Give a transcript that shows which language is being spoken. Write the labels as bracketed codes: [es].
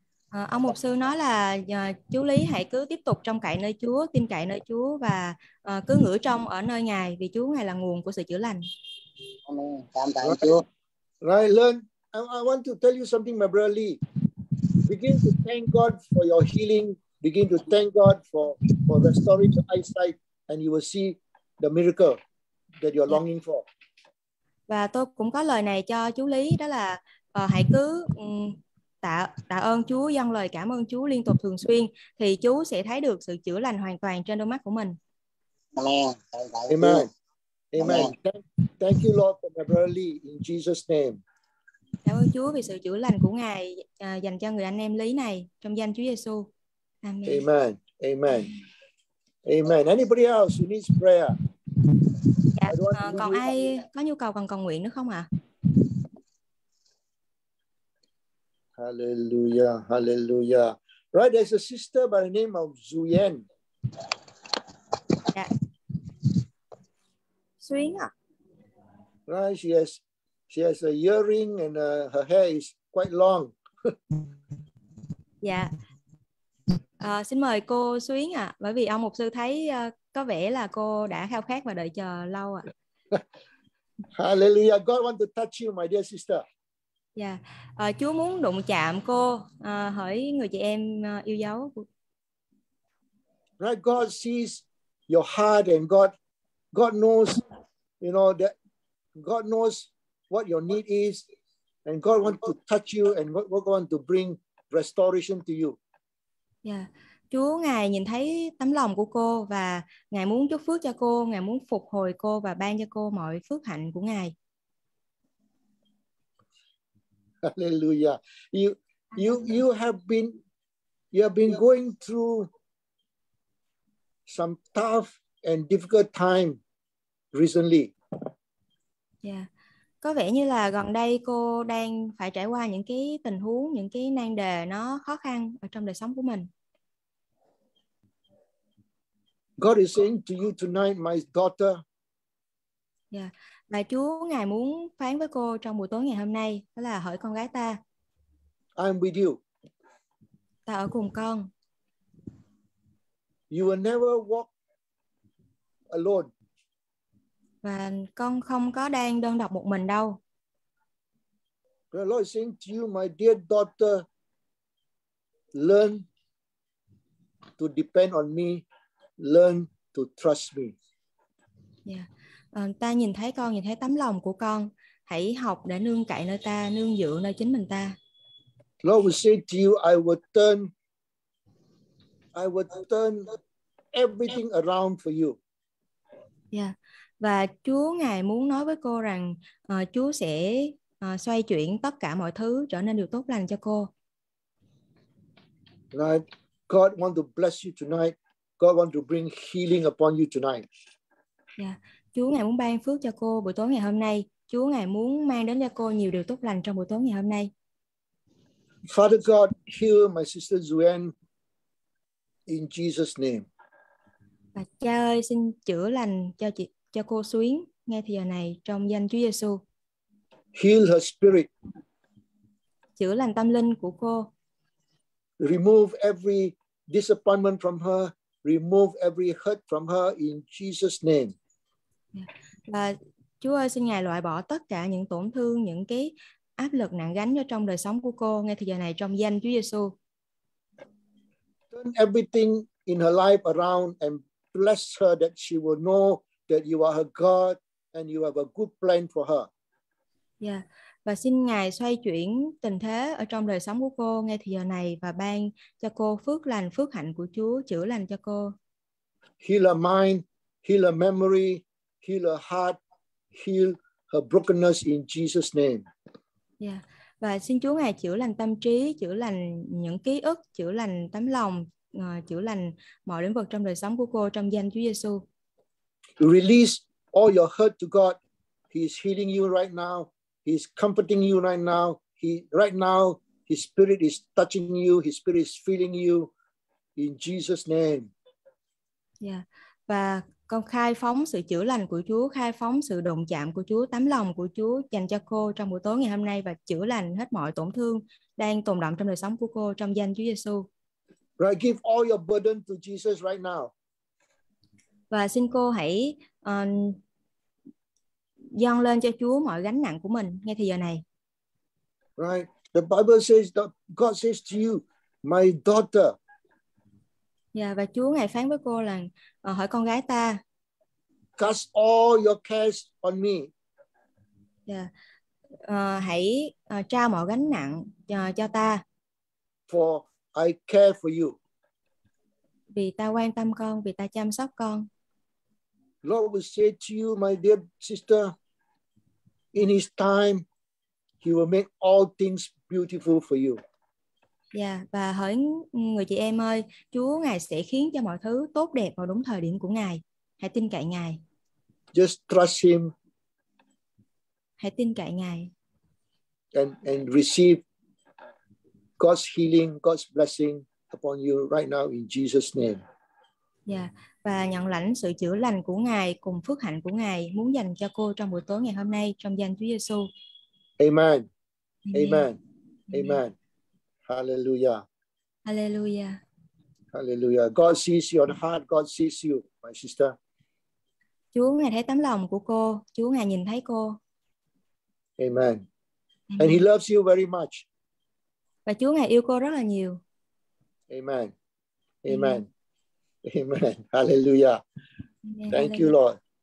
[vi] Ông mục sư nói là chú Lý hãy cứ tiếp tục trông cậy nơi Chúa, tin cậy nơi Chúa và cứ ngửa trông ở nơi Ngài, vì Chúa Ngài là nguồn của sự chữa lành. Amen. Cảm ơn Chúa. [en] Right, learn. I want to tell you something, my brother Lee. Begin to thank God for your healing. Begin to thank God for restoring your eyesight, and you will see the miracle that you're longing for. [vi] Và tôi cũng có lời này cho chú Lý, đó là hãy cứ tạ ơn Chúa, dâng lời cảm ơn Chúa liên tục thường xuyên, thì chú sẽ thấy được sự chữa lành hoàn toàn trên đôi mắt của mình. [en] Amen. Amen. Amen. Thank you, Lord, for my brother Lee, in Jesus' name. [vi] Cảm ơn Chúa vì sự chữa lành của Ngài dành cho người anh em Lý này, trong danh Chúa Giêsu. [en] Amen. Amen. Amen. Anybody else who needs prayer? [vi] Dạ, còn ai có nhu cầu cần cầu nguyện nữa không ạ? [en] Hallelujah, hallelujah. Right, there's a sister by the name of Zuyen. [vi] Dạ. Zuyen ạ. [en] Right, she has a earring and her hair is quite long. [vi] Dạ. Xin mời cô Zuyen ạ, bởi vì ông mục sư thấy có vẻ là cô đã khao khát và đợi chờ lâu ạ. [en] Hallelujah, God wants to touch you, my dear sister. [vi] Dạ, yeah. Chúa muốn đụng chạm cô, hỡi người chị em yêu dấu. [en] Right, God sees your heart and God knows, you know, that God knows what your need is and God wants to touch you and God wants to bring restoration to you. [vi] Dạ, yeah. Chúa Ngài nhìn thấy tấm lòng của cô và Ngài muốn chúc phước cho cô, Ngài muốn phục hồi cô và ban cho cô mọi phước hạnh của Ngài. [en] Hallelujah. You have been going through some tough and difficult time recently. Yeah. [vi] Có vẻ như là gần đây cô đang phải trải qua những cái tình huống, những cái nan đề nó khó khăn ở trong đời sống của mình. [en] God is saying to you tonight, my daughter. Yeah. [vi] Và Chúa Ngài muốn phán với cô trong buổi tối ngày hôm nay, đó là hỡi con gái ta. [en] I'm with you. [vi] Ta ở cùng con. [en] You will never walk alone. [vi] Và con không có đang đơn độc một mình đâu. [en] The Lord is saying to you, my dear daughter, learn to depend on me, learn to trust me. Yeah. [vi] Ta nhìn thấy con, nhìn thấy tấm lòng của con. Hãy học để nương cậy nơi ta, nương dựa nơi chính mình ta. [en] Lord will say to you, I will turn everything around for you. Yeah. [vi] Và Chúa Ngài muốn nói với cô rằng Chúa sẽ xoay chuyển tất cả mọi thứ trở nên điều tốt lành cho cô. [en] Right. God want to bless you tonight. God want to bring healing upon you tonight. Yeah. [vi] Chúa Ngài muốn ban phước cho cô buổi tối ngày hôm nay. Chúa Ngài muốn mang đến cho cô nhiều điều tốt lành trong buổi tối ngày hôm nay. [en] Father God, heal my sister Zuyen in Jesus' name. [vi] Và Cha ơi, xin chữa lành cho cô Zuyen ngay thời giờ này trong danh Chúa Giêsu. [en] Heal her spirit. [vi] Chữa lành tâm linh của cô. [en] Remove every disappointment from her. Remove every hurt from her in Jesus' name. [vi] Và Chúa ơi, xin Ngài loại bỏ tất cả những tổn thương, những cái áp lực nặng gánh cho trong đời sống của cô ngay thời giờ này trong danh Chúa Giêsu. [en] Turn everything in her life around and bless her that she will know that you are her God and you have a good plan for her. Yeah. [vi] Và xin Ngài xoay chuyển tình thế ở trong đời sống của cô ngay thời giờ này và ban cho cô phước lành, phước hạnh của Chúa, chữa lành cho cô. [en] Heal her mind, heal her memory, heal her heart, heal her brokenness in Jesus' name. Yeah. [vi] Và xin Chúa Ngài chữa lành tâm trí, chữa lành những ký ức, chữa lành tấm lòng, chữa lành mọi lĩnh vực trong đời sống của cô trong danh Chúa Giêsu. [en] Release all your hurt to God. He is healing you right now. He is comforting you right now. His spirit is touching you. His spirit is feeling you in Jesus' name. Yeah. [vi] Và con khai phóng sự chữa lành của Chúa, khai phóng sự đụng chạm của Chúa, tấm lòng của Chúa dành cho cô trong buổi tối ngày hôm nay và chữa lành hết mọi tổn thương đang tồn đọng trong đời sống của cô trong danh Chúa Giêsu. [en] Right, give all your burden to Jesus right now. [vi] Và xin cô hãy dâng lên cho Chúa mọi gánh nặng của mình ngay thời giờ này. [en] Right, the Bible says that God says to you, my daughter. [vi] Yeah, và Chúa Ngài phán với cô là hỏi con gái ta. [en] Cast all your cares on me. Yeah. [vi] Hãy trao mọi gánh nặng cho ta. [en] For I care for you. [vi] Vì ta quan tâm con, vì ta chăm sóc con. [en] Lord will say to you, my dear sister, in his time, he will make all things beautiful for you. [vi] Yeah, và hỏi người chị em ơi, Chúa Ngài sẽ khiến cho mọi thứ tốt đẹp vào đúng thời điểm của Ngài. Hãy tin cậy Ngài. [en] Just trust him. [vi] Hãy tin cậy Ngài. [en] And receive God's healing, God's blessing upon you right now in Jesus' name. [vi] Yeah, và nhận lãnh sự chữa lành của Ngài cùng phước hạnh của Ngài muốn dành cho cô trong buổi tối ngày hôm nay trong danh Chúa Giêsu. [en] Amen. Amen. Amen. Amen. Hallelujah. Hallelujah. Hallelujah. God sees your heart, God sees you, my sister. [vi] Chúa Ngài thấy tấm lòng của cô, Chúa Ngài nhìn thấy cô. [en] Amen. Amen. And he loves you very much. [vi] Và Chúa Ngài yêu cô rất là nhiều. [en] Amen. Amen. Amen. Amen. Hallelujah. Amen. Thank Hallelujah. You, Lord.